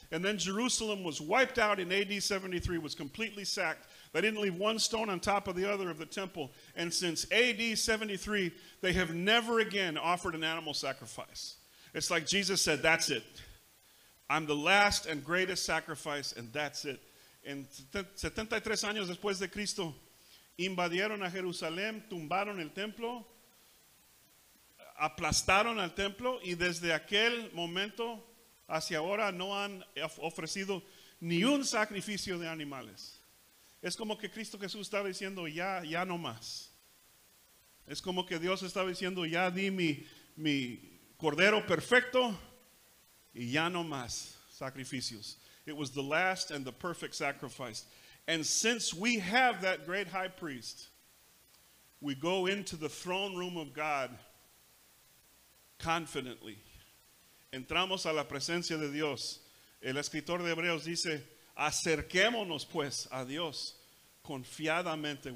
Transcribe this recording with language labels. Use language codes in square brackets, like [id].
[en] And then Jerusalem was wiped out in AD 73, was completely sacked. They didn't leave one stone on top of the other of the temple. And since AD 73, they have never again offered an animal sacrifice. It's like Jesus said, that's it. I'm the last and greatest sacrifice, and that's it. [es] En 73 años después de Cristo, invadieron a Jerusalén, tumbaron el templo, aplastaron al templo, y desde aquel momento hacia ahora no han ofrecido ni un sacrificio de animales. Es como que Cristo Jesús estaba diciendo, ya no más. Es como que Dios estaba diciendo, ya di mi cordero perfecto y ya no más sacrificios. [en] It was the last and the perfect sacrifice. And since we have that great high priest, we go into the throne room of God confidently. [es] Entramos a la presencia de Dios. El escritor de Hebreos dice, acerquémonos pues a Dios confiadamente.